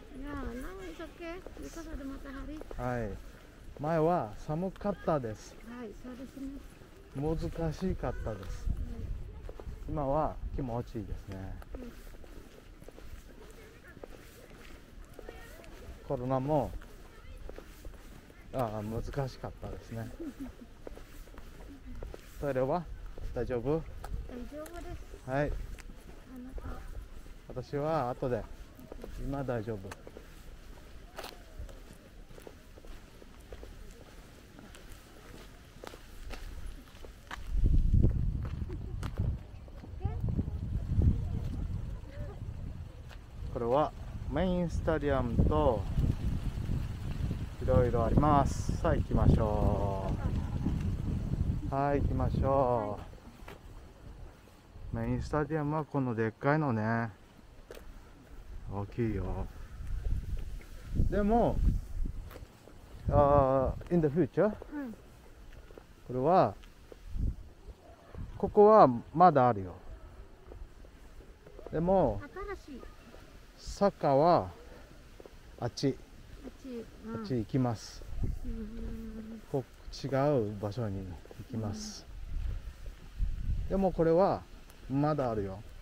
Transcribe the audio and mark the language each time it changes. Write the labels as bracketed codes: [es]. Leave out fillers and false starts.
[en] Yeah, now it's okay because of the matahari. [ja] Hi, 前は寒かったです。はい、そうですね。難しかったです。はい、今は気持ちいいですね、はい。コロナも難しかったですね。トイレは大丈夫？大丈夫です。はい、あの私は後で、今大丈夫。これはメインスタジアムといろいろあります。さあ行きましょう。はい、行きましょう。メインスタジアムはこのでっかいのね、大きいよ。 [en] でも、in the future、 [ja] うん、これはここはまだあるよ。でも新しいサッカーはあっち、うん、あっち行きます、うん、こ違う場所に行きます、うん、でもこれはまだあるよ。